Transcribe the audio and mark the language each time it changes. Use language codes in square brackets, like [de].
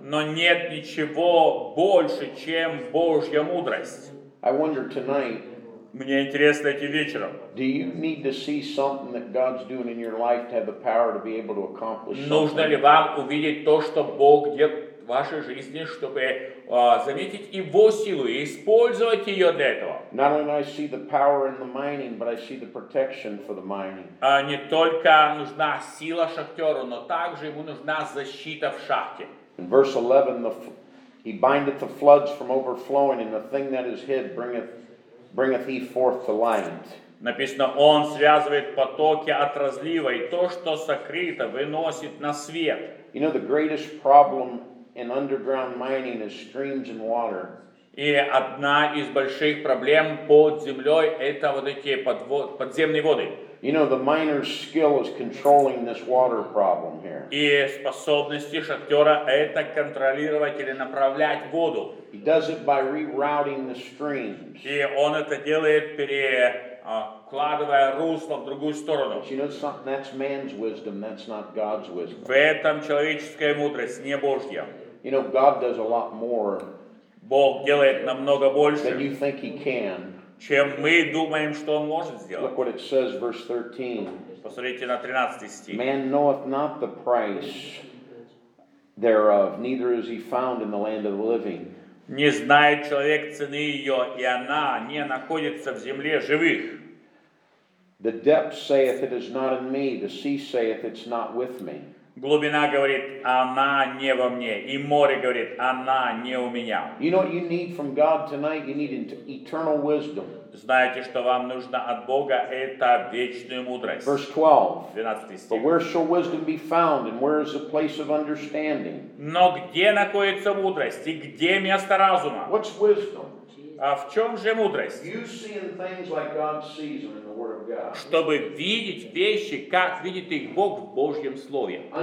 [ru] Но нет ничего больше, чем Божья мудрость. [en] I wonder tonight. [ru] Мне интересно этим вечером. [en] Do you need to see something that God's doing in your life to have the power to be able to accomplish something? [ru] Нужно ли вам увидеть то, что Бог делает в вашей жизни, чтобы заметить Его силу и использовать ее для этого? [en] Not only I see the power in the mining, but I see the protection for the mining. [ru] Не только нужна сила шахтеру, но также ему нужна защита в шахте. [en] In verse 11, he bindeth the floods from overflowing, and the thing that is hid bringeth he forth to light. [ru] Написано, он связывает потоки от разлива, и то, что сокрыто, выносит на свет. [en] You know, the greatest problem in underground mining is streams and water. [ru] И одна из больших проблем под землей это вот эти подземные воды. [en] You know, the miner's skill is controlling this water problem here. [ru] И способности шахтера это контролировать или направлять воду. [en] He does it by rerouting the streams. [ru] И он это делает перекладывая русло в другую сторону. [en] But you know something? That's man's wisdom. That's not God's wisdom. [ru] В этом человеческая мудрость, не Божья. [en] You know, God does a lot more. [ru] Бог делает намного больше. [en] Than you think He can. [ru] Чем мы думаем, что Он может сделать. [en] Look what it says, verse 13. [ru] Посмотрите на 13 стих. [en] Man knoweth not the price thereof, neither is he found in the land of the living. [ru] Не знает человек цены ее, и она не находится в земле живых. [en] The depth saith, it is not in me; the sea saith, it's not with me. [ru] Глубина говорит, она не во мне. И море говорит, она не у меня. [en] You know what you need from God tonight? You need eternal wisdom. [ru] Знаете, что вам нужно от Бога? Это вечную мудрость. [en] Verse 12. [ru] 12 стих. [en] But where shall wisdom be found? And where is the place of understanding? [ru] Но где находится мудрость? И где место разума? [en] What's wisdom? [ru] А в чем же мудрость? [en] You seeing things like God sees them. [ru] Чтобы видеть вещи, как видит их Бог в Божьем Слове.